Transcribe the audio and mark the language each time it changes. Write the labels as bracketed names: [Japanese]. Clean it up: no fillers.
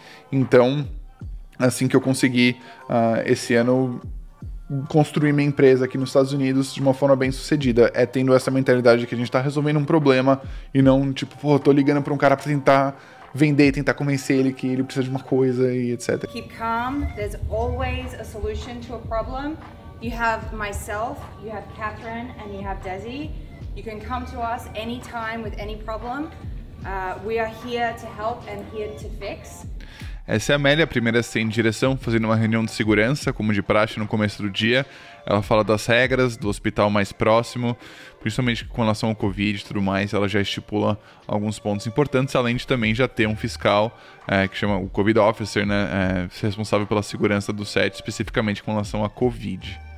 [Portuguese] Então, assim que eu consegui esse ano construir minha empresa aqui nos Estados Unidos de uma forma bem sucedida, é tendo essa mentalidade que a gente está resolvendo um problema e não, tipo, pô, tô ligando para um cara para tentar vender, tentar convencer ele que ele precisa de uma coisa e etc. [English] Keep calm, there's always a solution to a problem. You have myself, you have Catherine, and you have Desi. You can come to us anytime with any problem. We are here to help and here to fix. [Portuguese] Essa é a Amélia, a primeira a ser em direção, fazendo uma reunião de segurança, como de praxe, no começo do dia. Ela fala das regras, do hospital mais próximo, principalmente com relação ao Covid e tudo mais. Ela já estipula alguns pontos importantes, além de também já ter um fiscal, que chama o Covid Officer, né, responsável pela segurança do set, especificamente com relação a Covid.